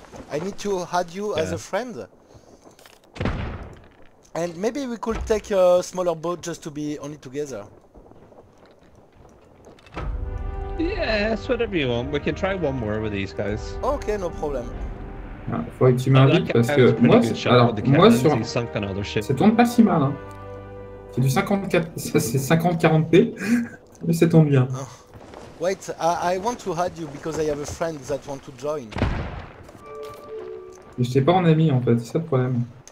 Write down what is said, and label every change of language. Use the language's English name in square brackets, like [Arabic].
[English] I need to add you as a friend. And maybe we could take a smaller boat just to be only together. Yes, whatever you want. We can try one more with these guys. Okay, no problem. [French] Ah, faut que tu m'invites parce que moi, ça tombe pas si mal. Hein. C'est du 54, c'est 50-40p, mais ça tombe bien. Oh. [English] Wait, I want to add you because I have a friend that want to join. [French] Mais je t'ai pas en ami en fait, c'est ça le problème.